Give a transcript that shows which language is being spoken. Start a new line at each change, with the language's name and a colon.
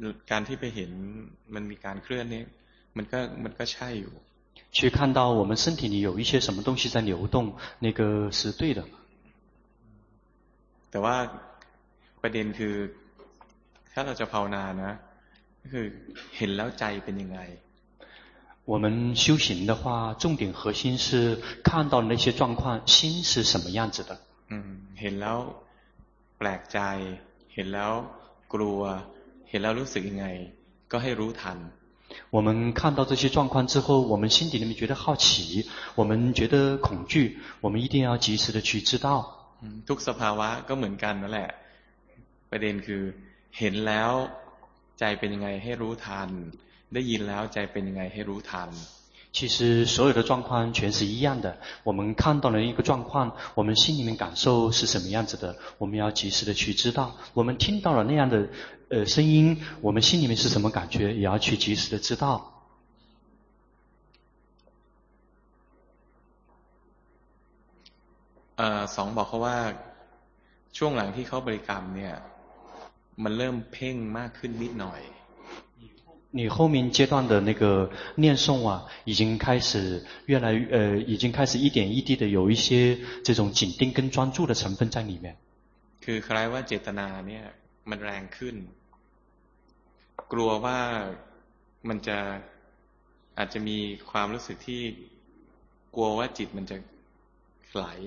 Thai: การที่ไปเห็นมันมีการเคลื่อนเนี่ยมันก็ใช่อยู่
Chinese: 去看到我们身体里有一些什么东西在流动那个是对的
Thai: แต่ว่าประเด็นคือถ้าเราจะภาวนานะคือเห็นแล้วใจเป็นยังไง
Chinese: 我们修行的话重点核心是看到那些状况心是什么样子的
Thai: เห็นแล้วแปลกใจเห็นแล้วกลัวเห็นแล้วรู้สึกยังไงก็ให้รู้ทัน
Chinese: 我们看到这些状况之后我们心底里面觉得好奇我们觉得恐惧我们一定要及时的去知道
Thai: ทุกสภาวะก็เหมือนกันนั่นแหละประเด็นคือเห็นแล้วใจเป็นยังไงให้รู้ทันได้ยินแล้วใจเป็นยังไงให้รู้ทัน
Chinese: 其实所有的状况全是一样的我们看到了一个状况我们心里面感受是什么样子的我们要及时的去知道我们听到了那样的声音我们心里面是什么感觉也要去及时的知道
Thai: สองบอกเขาว่าช่วงหลังที่เขาบริกรรมเนี่ยมันเริ่มเพ่งมากขึ้นนิดหน่อย
Chinese: 你后面阶段的那个念诵啊已经开始越来越已经开始一点一滴的有一些这种紧盯跟专注的成分在里面
Thai: คือคล้ายว่าเจตนาเนี่ยมันแรงขึ้นกลัวว่ามันจะอาจจะมีความรู้สึกที่กลัวว่าจิตมันจะไหล